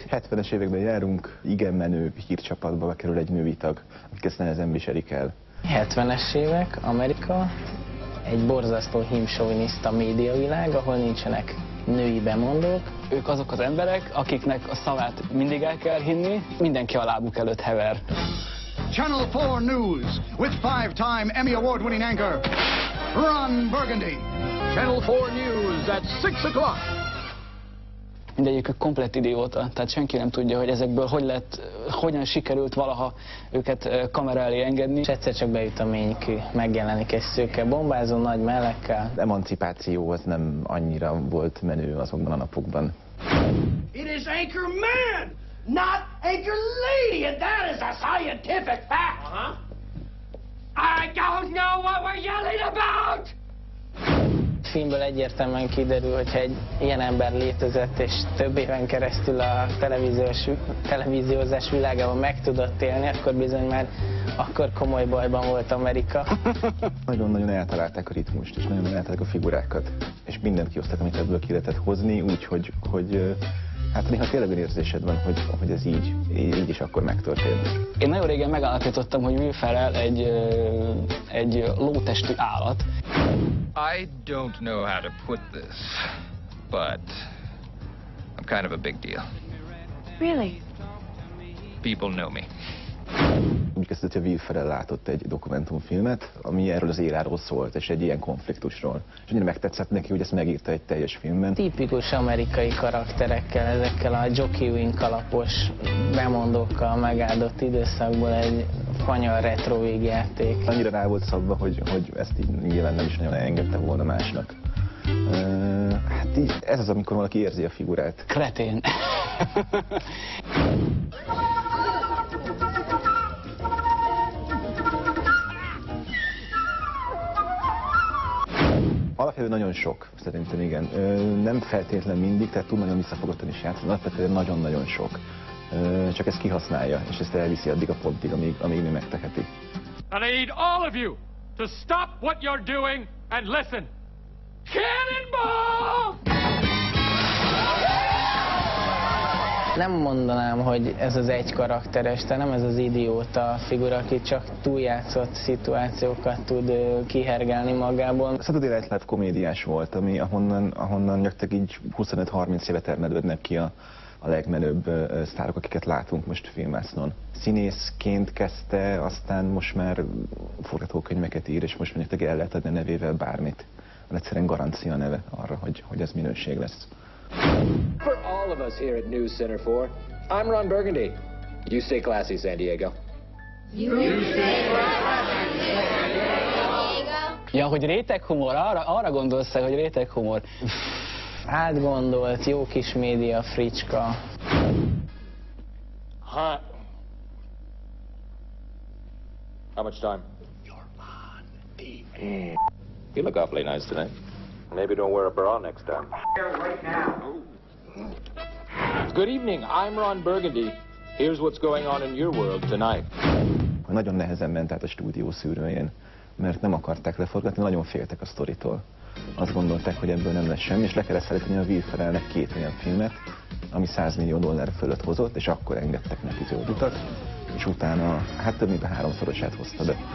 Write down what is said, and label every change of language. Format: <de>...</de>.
<hu>70-es években járunk, igen menő hírcsapatba bekerül egy női tag, akik ezt nehezen viselik el. 70-es évek, Amerika, egy borzasztó hím-soviniszta médiavilág, ahol nincsenek női bemondók. Ők azok az emberek, akiknek a szavát mindig el kell hinni, mindenki a lábuk előtt hever.</hu> <en>Channel 4 News, with 5-time Emmy Award winning anchor, Ron Burgundy. Channel 4 News at 6 o'clock.</en> <hu>Mindegyik komplett idióta, tehát senki nem tudja, hogy ezekből hogyan sikerült valaha őket kamera elé engedni. És egyszer csak bejut a ménykű, megjelenik egy szőke bombázó nagy mellekkel. Az emancipáció az nem annyira volt menő azokban a napokban.</hu> <en>It is anchor man, not anchor lady, and that is a scientific fact. I don't know what we're yelling about!</en> <hu>A filmből egyértelműen kiderül, hogy egy ilyen ember létezett, és több éven keresztül a televíziózás világában meg tudott élni, akkor bizony már akkor komoly bajban volt Amerika. Nagyon-nagyon eltalálták a ritmust, és nagyon eltalálták a figurákat, és mindent kihoztak, amit ebből ki lehetett hozni, úgyhogy hát néha tényleg érzésed van, hogy ez így is akkor megtörtént. Én nagyon régen megállapítottam, hogy mi felel egy lótestű állat.</hu> <en>I don't know how to put this, but I'm kind of a big deal. Really? People know me.</en> <hu>Úgy kezdett, hogy Will Ferrell látott egy dokumentumfilmet, ami erről az éráról szólt, és egy ilyen konfliktusról. És annyira megtetszett neki, hogy ezt megírta egy teljes filmben. Tipikus amerikai karakterekkel, ezekkel a Jockey Wing kalapos bemondókkal megáldott időszakból egy fanyar retro végjáték. Annyira rá volt szabva, hogy ezt így nyilván nem is nagyon engedte volna másnak. Hát így, ez az, amikor valaki érzi a figurát. Kretén. Alapvetően nagyon sok, szerintem igen. Nem feltétlen mindig, tehát túl nagyon visszafogottan is játszik, alapvetően nagyon-nagyon sok. Csak ezt kihasználja, és ezt elviszi addig a pontig, amíg mi megteheti.</hu> <en>And I need all of you to stop what you're doing and listen. Cannonball!</en> <hu>Nem mondanám, hogy ez az egy karakteres, tehát nem ez az idióta figura, aki csak túljátszott szituációkat tud kihergelni magából. A Saturday Night Live komédiás volt, ami ahonnan nyaktak így 25-30 éve termelődnek ki a legmenőbb sztárok, akiket látunk most filmvásznon. Színészként kezdte, aztán most már forgatókönyveket ír, és most mondjuk el lehet adni a nevével bármit. Egyszerűen garancia neve arra, hogy ez minőség lesz.</hu> <en>For all of us here at News Center 4, I'm Ron Burgundy. You stay classy, San Diego. You stay classy, San Diego.</en> <hu>Ja, hogy réteghumor, arra gondolsz, hogy réteghumor? Átgondolt, jó kis média fricska. Hát...</hu> <en>How much time? You're on the air. You look awfully nice tonight. Maybe don't wear a bra next time. Good evening, I'm Ron Burgundy. Here's what's going on in your world tonight.</en> <hu>Nagyon nehezen ment át a stúdió szűrőjén, mert nem akarták leforgatni, nagyon féltek a sztoritól. Azt gondolták, hogy ebből nem lesz semmi, és le kellett szállítani a Will Ferrellnek két olyan filmet, ami 100 millió dollár fölött hozott, és akkor engedtek neki utat, és utána hát több mint a háromszorosát hozta be.</hu>